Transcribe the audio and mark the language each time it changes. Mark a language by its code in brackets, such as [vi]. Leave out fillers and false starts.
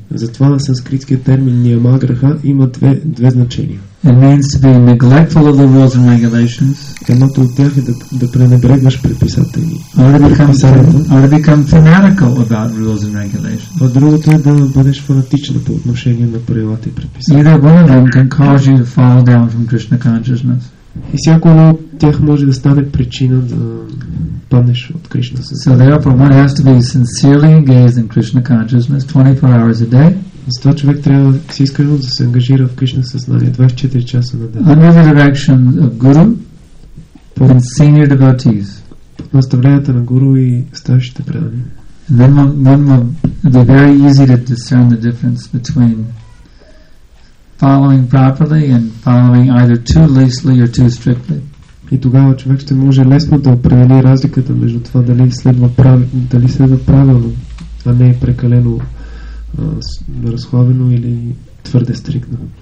[bg] Затова санскритският термин Niyamagraha има две значения. [en] It means to be neglectful of the rules and regulations. [bg] Едното от тях е да пренебрегваш предписанията. [en] Or to become fanatical about rules and regulations. [bg] А другото е да бъдеш фанатичен по отношение на правилата и предписанията. [en] Either one of them can cause you to fall down from Krishna consciousness. [bg] И всяко едно от тях може да стане причина да паднеш от Кришна сънцето. [en] So therefore one has to be sincerely engaged in Krishna consciousness 24 hours a day. [bg] Затова човек трябва си искрено да се ангажира в Кришна съзнание 24 часа на ден. [en] Under the direction of Guru and senior devotees. [bg] Под наставлението на Гуру и старшите предани. [en] And then one will be very easy to discern the difference between following properly and following either too loosely or too strictly. [bg] И тогава човек ще може лесно да определи разликата между това дали следва правилно, а не е прекалено разхлабено или твърде стриктно.